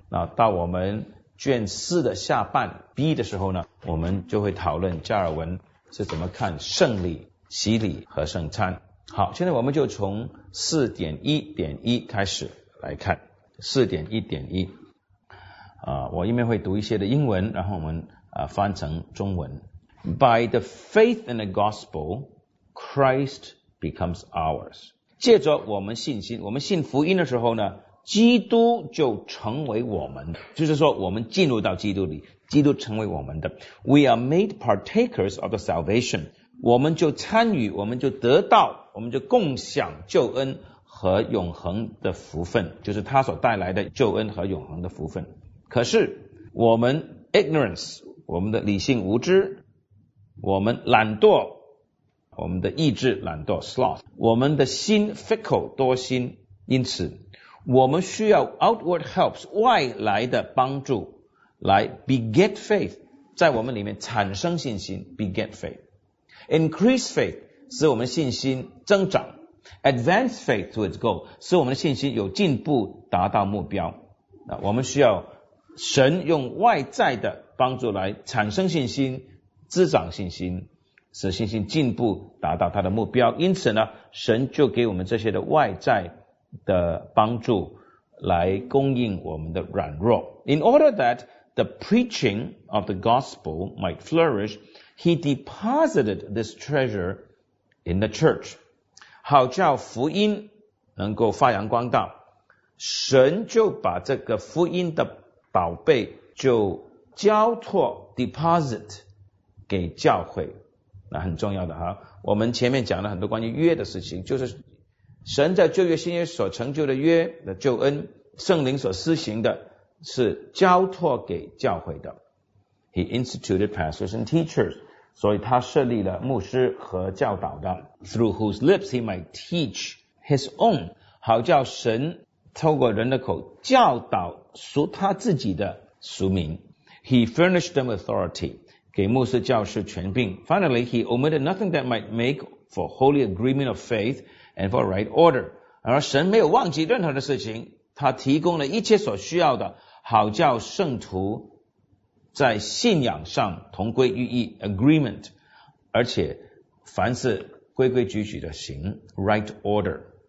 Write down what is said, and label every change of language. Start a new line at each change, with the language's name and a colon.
Chinese: 那到我们卷四的下半 B 的时候呢，我们就会讨论加尔文是怎么看圣礼、洗礼和圣餐。好，现在我们就从 4:1-1 开始来看。 4:1-1我一面会读一些的英文，然后我们翻成中文。
English: By the faith in the gospel, Christ becomes ours.
Chinese: 借着我们信心，我们信福音的时候呢，基督就成为我们，就是说我们进入到基督里，基督成为我们的。
English: We are made partakers of the salvation.
Chinese: 我们就参与，我们就得到，我们就共享救恩和永恒的福分，就是他所带来的救恩和永恒的福分。可是我们 ignorance, 我们的理性无知，我们懒惰，我们的意志懒惰 sloth, 我们的心 fickle, 多心，因此我们需要 outward helps, 外来的帮助来 beget faith， 在我们里面产生信心 beget faith。
English: Increase faith
Chinese: 使我们信心增长。
English: Advance faith to its goal
Chinese: 使我们的信心有进步达到目标。那我们需要神用外在的帮助来产生信心，滋长信心，使信心进步达到他的目标。因此呢，神就给我们这些的外在的帮助来供应我们的软弱。
English: In order that the preaching of the gospel might flourish, he deposited this treasure in the church.
Chinese: 好叫福音能够发扬光大，神就把这个福音的宝贝就交托 deposit 给教会。那很重要的哈，我们前面讲了很多关于约的事情，就是神在旧约新约所成就的约的救恩，圣灵所施行的是交托给教会的。
English: He instituted pastors and teachers，
Chinese: 所以他设立了牧师和教导的。
English: Through whose lips he might teach his own，
Chinese: 好叫神透过人的口教导属他自己的属民。
English: He furnished them authority，
Chinese: 给牧师教师权柄。
English: Finally he omitted nothing that might make for holy agreement of faithand for right order，
Chinese: 而神没有忘记任何的事情，他提供了一切所需要的，好叫圣徒在信仰上同归于一 agreement， 而且凡事规规矩矩的行 right order。